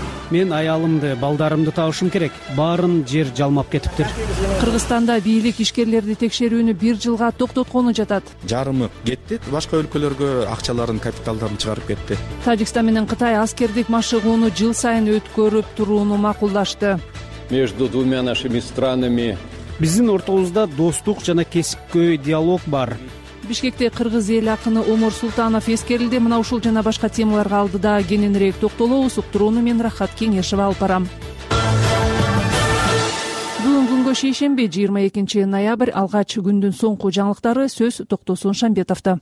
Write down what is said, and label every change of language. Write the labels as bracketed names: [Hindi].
[Kyrgyz] Мен аялымды, балдарымды табышым керек. Баарын жер жалмап кетиптир. Кыргызстанда бийлик ишкерлерди текшерүүнү 1 жылга токтотконун жатат. Жарымы кетти, башка өлкөлөргө акчаларын, капиталдарын чыгарып кетти. Таджикстан менен Кытай аскердик машыгууну жыл сайын өткөрүп турууну макулдашты. [Russian] Между двумя нашими странами. [Kyrgyz] Биздин ортобузда достук жана кесипкөй диалог бар. Бишкекте кыргыз эл акыны Омор Султанов эскерилди. Мына ушул жана башка темаларга алдыда кененирээк токтолобуз. Уктурууну мен Рахат Кеңешова алып барам. Бүгүн күнгө шейшемби, 22 ноябрь, алгач күндүн соңку жаңылыктары, сөз Токтосун Шамбетовдо.